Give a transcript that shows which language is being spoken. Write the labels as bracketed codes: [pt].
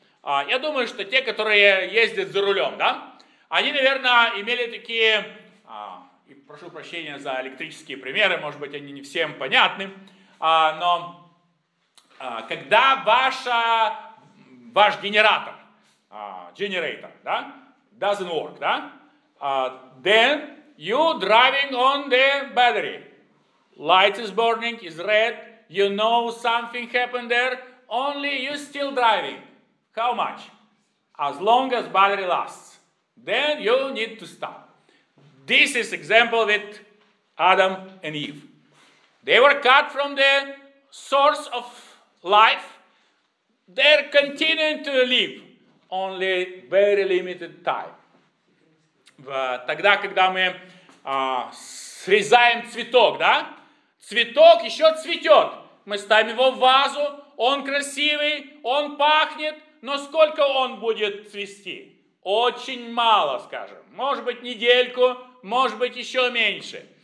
[ru] Я думаю, что те, которые ездят за рулем, да, они, наверное, имели такие, и прошу прощения за электрические примеры, может быть, они не всем понятны, но когда ваш генератор, generator, да, [en] doesn't work, [ru] да, [en] then you driving on the battery. Light is burning, is red, you know something happened there, only you still driving. How much? As long as battery lasts. Then you need to stop. This is example with Adam and Eve. They were cut from the source of life. They're continuing to live only very limited time. [ru] Тогда, когда мы срезаем цветок, да? Цветок еще цветет. Мы ставим его в вазу, он красивый, он пахнет, но сколько он будет цвести? Очень мало, скажем. Может быть, недельку, может быть, еще меньше.